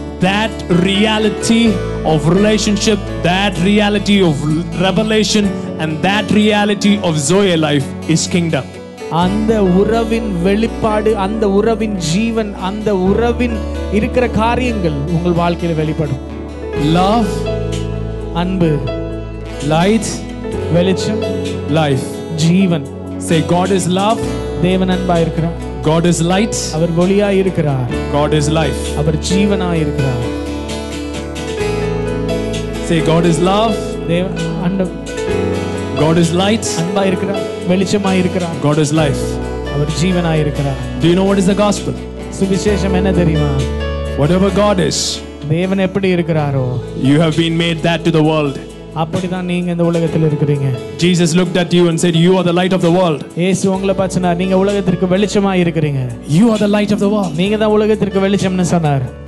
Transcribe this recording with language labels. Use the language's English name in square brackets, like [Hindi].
[English] That reality of relationship, that reality of revelation, and that reality of Zoe life is kingdom. [Tamil] அந்த உறவின் வெளிப்பாடு, அந்த உறவின் ஜீவன், அந்த உறவின் இருக்கிற காரியங்கள் உங்கள் வாழ்க்கையில வெளிப்படும். [English] Love, [Tamil] அன்பு, [English] light, [Tamil] வெளிச்சம், [English] life, [Tamil] Jeevan. [English] Say God is love. [Tamil] தேவன் அன்பா இருக்கிறார். [English] God is light. [Tamil] அவர் ஒளியா இருக்கிறார். [English] God is life. [Tamil] அவர் ஜீவனா இருக்கிறார். [English] Say God is love. [Tamil] தேவன் அன்பு. [English] God is light. [Tamil] அன்பா இருக்கிறார். வெளிச்சமா இருக்கிறார். [English] God is life. [Tamil] அவர் ஜீவனா இருக்கிறார். [English] Do you know what is the gospel? [Tamil] சுவிசேஷம் என்ன தெரியுமா? [English] Whatever God is. [Tamil] தேவன் எப்படி இருக்கிறாரோ. [English] You have been made that to the world. [Tamil] அப்படிதான் நீங்க இந்த உலகத்தில் இருக்கிறீங்க. [English] Jesus looked at you and said, you are the light of the world. [Tamil] இயேசு உங்களை பார்த்தார், நீங்க உலகத்துக்கு வெளிச்சமா இருக்கிறீங்க. [English] You are the light of the world. [Tamil] நீங்க தான் உலகத்துக்கு வெளிச்சம்னு சொன்னார்.